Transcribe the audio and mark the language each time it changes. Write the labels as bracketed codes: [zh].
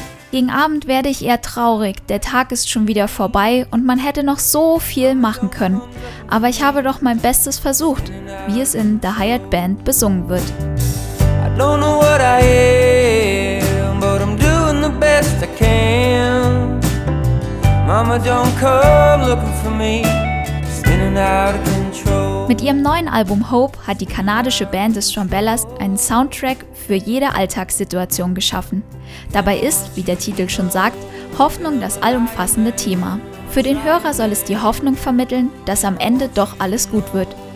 [de] Gegen Abend werde ich eher traurig, der Tag ist schon wieder vorbei und man hätte noch so viel machen können. Aber ich habe doch mein Bestes versucht, wie es in The Hired Band besungen wird. [en] I don't know what I am, but I'm doing the best I can. Mama don't come looking for me, spinning out of control. [de] Mit ihrem neuen Album Hope hat die kanadische Band des John Bellas einen Soundtrack für jede Alltagssituation geschaffen. Dabei ist, wie der Titel schon sagt, Hoffnung das allumfassende Thema. Für den Hörer soll es die Hoffnung vermitteln, dass am Ende doch alles gut wird.